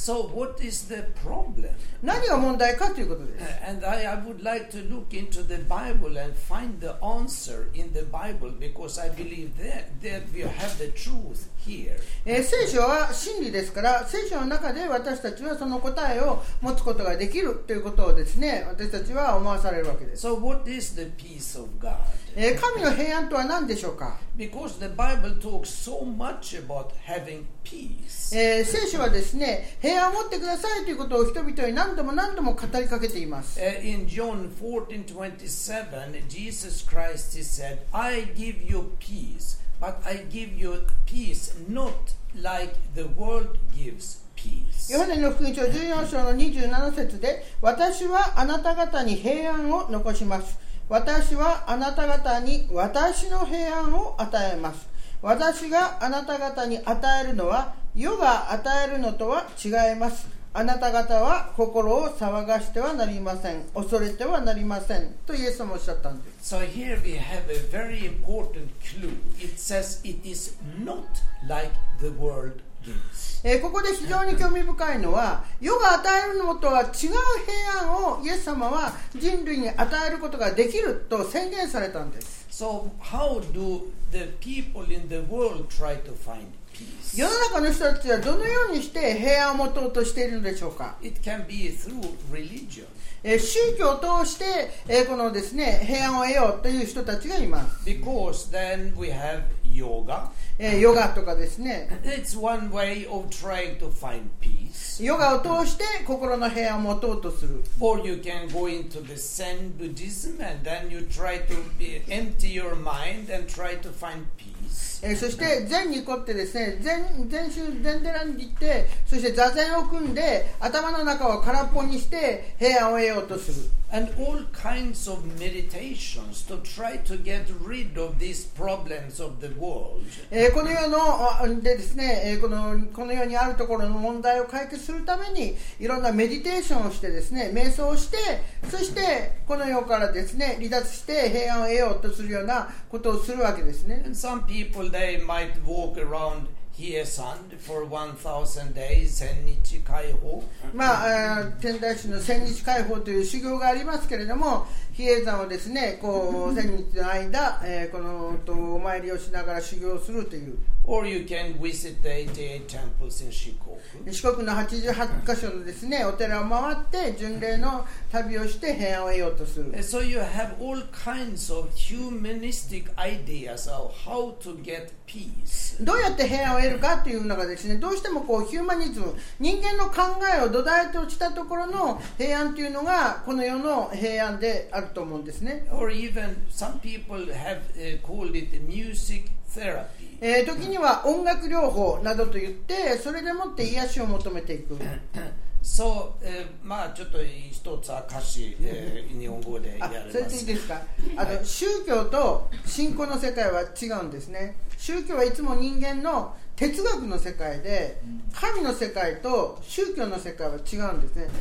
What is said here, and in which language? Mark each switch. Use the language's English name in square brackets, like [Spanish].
[English] So what is the problem? [Japanese] 何が問題かということです。 [English] And I would like to look into the Bible and find the answer in the Bible because I believe that we have the truth. [Japanese] 聖書は真理ですから、聖書の中で私たちはその答えを持つことができるということをですね、私たちは思わされるわけです。 [English] So what is the peace of God? [Japanese] 神の平安とは何でしょうか。 [English] Because the Bible talks so much about having peace. [Japanese] 聖書はですね、平安を持ってくださいということを人々に何度も何度も語りかけています。 [English] In John 14:27, Jesus Christ said, I give you peace. But I give you peace, not like the world gives peace. [Japanese] ヨハネの福音書14章の27節で、私はあなた方に平安を残します。私はあなた方に私の平安を与えます。私があなた方に与えるのは世が与えるのとは違います。あなた方は心を騒がしてはなりません、恐れてはなりませんとイエスもおっしゃったんです。 [English] So here we have a very important clue. It says it is not like the world gives. [Japanese] ここで非常に興味深いのは、世が与えるのとは違う平安をイエス様は人類に与えることができると宣言されたんです。 [English] So how do the people in the world try to find peace? [Japanese] 世の中の人たちはどのようにして平安を持とうとしているのでしょうか。 [English] It can be through religion. [Japanese] 宗教を通して、このですね、平安を得ようという人たちがいます。 [English] Because then we have yoga. [Japanese] ヨガとかですね。 [English] It's one way of trying to find peace. [Japanese] ヨガを通して心の平安を持とうとする。 [English] Or you can go into the Zen Buddhism and then you try to empty your mind and try to find peace. [Japanese] そして禅に凝ってですね、禅宗禅寺に行って、そして座禅を組んで頭の中を空っぽにして平安を得ようとする。 [English] And all kinds of meditations to try to get rid of these problems of the world. [Japanese] この世のでですね、この世にあるところの問題を解決するためにいろんなメディテーションをしてですね、瞑想をして、そしてこの世からですね、離脱して平安を得ようとするようなことをするわけですね。 [English] And some people they might walk aroundHiesan for 1000 days, 千日解放。 [Japanese] まあ、天台宗の千日解放という修行がありますけれども、比叡山をですね、こう千日の間、このとお参りをしながら修行するという。 [English] Or you can visit the 88 temples in 四国。 [Japanese] 四国の88箇所のですね、お寺を回って巡礼の旅をして平安を得ようとする。 [English] So you have all kinds of humanistic ideas of how to get peace. [Japanese] どうやって平安を得るかというのがですね、どうしてもこうヒューマニズム、人間の考えを土台としたところの平安というのがこの世の平安であると思うんですね。 [English] Or even some people have called it music therapy. [Japanese] 時には音楽療法などと言って、それでもって癒しを求めていく。そう、まあちょっと一つは歌詞、日本語でやります。あ、それでいいですか。あの宗教と信仰の世界は違うんですね。宗教はいつも人間の哲学の世界で、神の世界と宗教の世界は違うんですね。